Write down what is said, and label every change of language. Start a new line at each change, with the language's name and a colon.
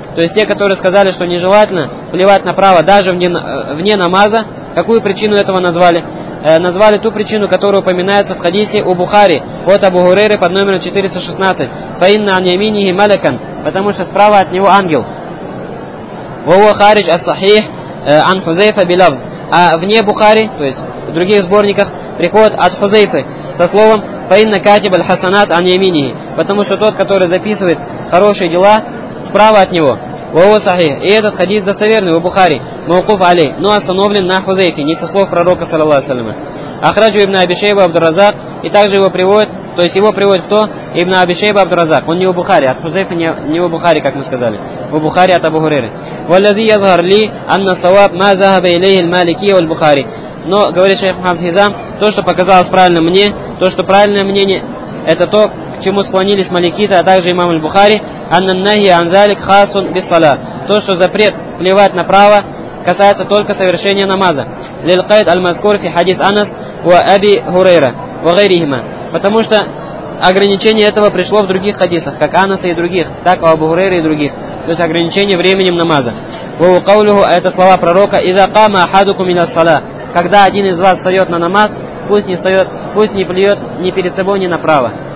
Russian: То есть те, которые сказали, что нежелательно плевать направо даже вне намаза, какую причину этого назвали? Назвали ту причину, которая упоминается в хадисе у Бухари от Абу Хурейры под номером 416.
Arabic: Фа инна ан ямини малакан.
Russian: Потому что справа от него ангел.
Arabic: وهو خارج الصحيح عن حذيفة بلفظ.
Russian: А вне Бухари, то есть в других сборниках, приходит от Хузейфы со словом
Arabic: فَإِنَّ كَاتِبَ الْحَسَنَاتِ عَنْ يَمِينِهِ.
Russian: Потому что тот, который записывает хорошие дела, справа от него.
Arabic: وهو صحيح.
Russian: И этот хадис достоверный у Бухари,
Arabic: موقوف عليه,
Russian: но остановлен на Хузейфе, не со слов пророка, саллаллаху алейхи ва саллям. Ахраджу ибн Аби Шейба Абдур-Разак, и также его приводит, то есть его приводит кто? Ибн Аби Шейба Абдур-Разак. Он не у Бухари, от Хузейфа не у Бухари, как мы сказали. У Бухари от Абу Хурейры.
Arabic: والذي يظهر لي أن الصواب ما ذهب إليه المالكية والبخاري.
Russian: Но говорит шейх Мухаммад Хизам, то, что показалось правильным мне, то, что правильное мнение, это то, к чему склонились маликиты, а также имам аль-Бухари,
Arabic: أن النهي عن ذلك خاص بالصلاة.
Russian: То, что запрет плевать направо, касается только совершения намаза.
Arabic: للقيد المذكور في حديث أنس وأبي هريرة وغيرهما.
Russian: Потому что ограничение этого пришло в других хадисах, как Анаса и других, так и Абу Хурейры и других. То есть ограничение временем намаза.
Arabic: Ва каулюху,
Russian: это слова пророка,
Arabic: иза кама ахадуку мин ас-сала.
Russian: Когда один из вас встает на намаз, пусть не плюет ни перед собой, ни направо.